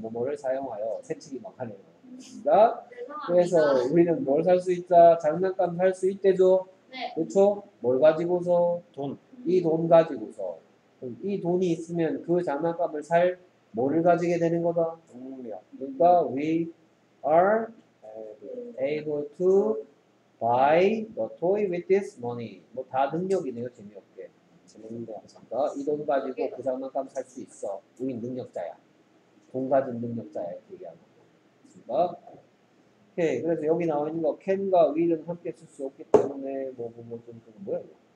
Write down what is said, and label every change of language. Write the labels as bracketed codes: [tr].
[ko] 뭐뭐를 사용하여 세치기 막 하네요. 그래서 우리는 뭘 살 수 있다? 장난감 살 수 있대죠? 네. 그렇죠? 뭘 가지고서? 돈. 이 돈 가지고서. 이 돈이 있으면 그 장난감을 살 뭐를 가지게 되는 거다? 능력. 그러니까 [en] we are able to buy the toy with this money. [ko] 뭐 다 능력이네요. 재미없게. 재밌는데요. 이 돈 가지고 그 장난감 살 수 있어. 우린 능력자야. 돈 가진 능력자야. 얘기하는 거. 됐습니까? 오케이. 그래서 여기 나와 있는 거 can과 will은 함께 쓸 수 없기 때문에 뭐뭐뭐 좀 그거 뭐야 이거?